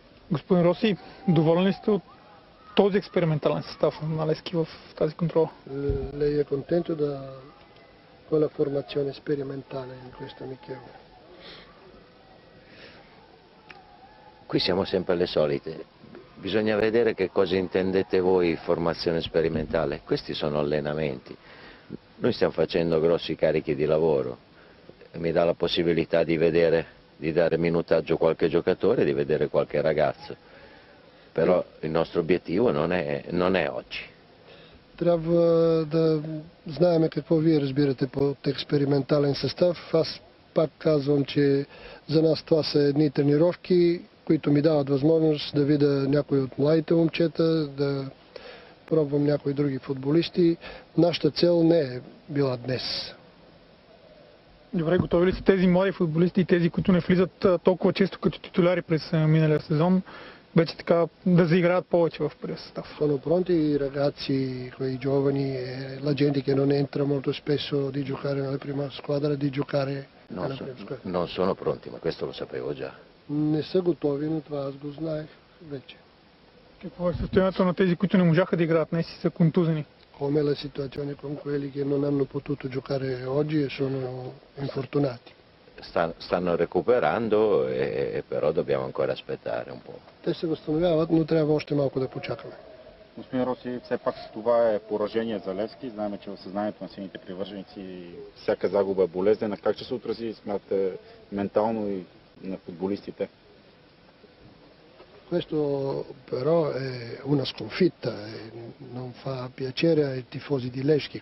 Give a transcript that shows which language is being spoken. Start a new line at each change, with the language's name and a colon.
Bulgarian: Господин Роси, доволен ли сте от този експериментален състав на Левски в тази контрола?
Italian: Lei è contento da quella formazione sperimentale in questa Michele? Qui siamo sempre alle solite. Bisogna vedere che cosa intendete voi formazione sperimentale. Questi sono allenamenti. Noi stiamo facendo grossi carichi di lavoro. Mi dà la possibilità di vedere, di dare minutaggio a qualche giocatore, di vedere qualche ragazzo. Però il nostro obiettivo non è oggi.
Bulgarian: Трябва да знаем какво вие разбирате под експериментален състав. Аз пак казвам, че за нас това са едни тренировки, които ми дават възможност да видя някои от младите момчета, да пробвам някои други футболисти. Нашата цел не е била днес. Добре, готови ли са тези млади футболисти и тези, които не влизат толкова често като титуляри през миналия сезон, вече така да заиграят повече в първия състав?
Italian: Sono pronti i ragazzi, quei giovani, la gente che non entra molto spesso di giocare nella prima squadra, di giocare nella prima squadra. Non sono pronti, ma questo lo sapevo già.
Bulgarian: Не са готови, но това аз го знаех вече. Какво е състоянието на тези, които не можаха да играят, не си са контузени?
Italian: Come la situazione con quelli che non hanno potuto giocare oggi e sono infortunati. Stanno recuperando, però dobbiamo ancora aspettare un po'.
Bulgarian: Те се възстановяват, но трябва още малко да почакаме. Господин Роси, все пак това е поражение за Левски. Знаем, че в съзнанието на сините привърженици всяка загуба е болезнена. Как ще се отрази, смятате, ментално и на футболистите?
Italian: Questo però è una sconfitta, non fa piacere ai tifosi di Levski.